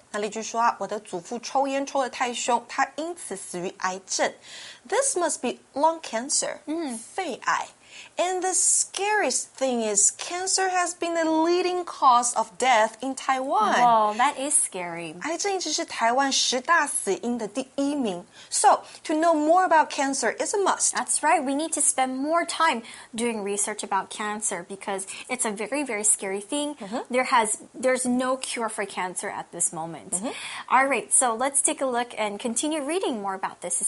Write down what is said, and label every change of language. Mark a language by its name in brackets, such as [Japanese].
[Chinese] 那例句说啊，我的祖父抽烟抽得太凶，他因此死于癌症。 [English] This must be lung cancer, 肺癌。 And the scariest thing is cancer has been the leading cause of death in Taiwan. Whoa, that is scary. [Chinese] 癌症一直是台湾十大死因的第一名。 [English] So, to know more about cancer is a must. That's right, we need to spend more time doing research about cancer because it's a very, very scary thing. Mm-hmm. There's no cure for cancer at this moment. Mm-hmm. All right, so let's take a look and continue reading more about this.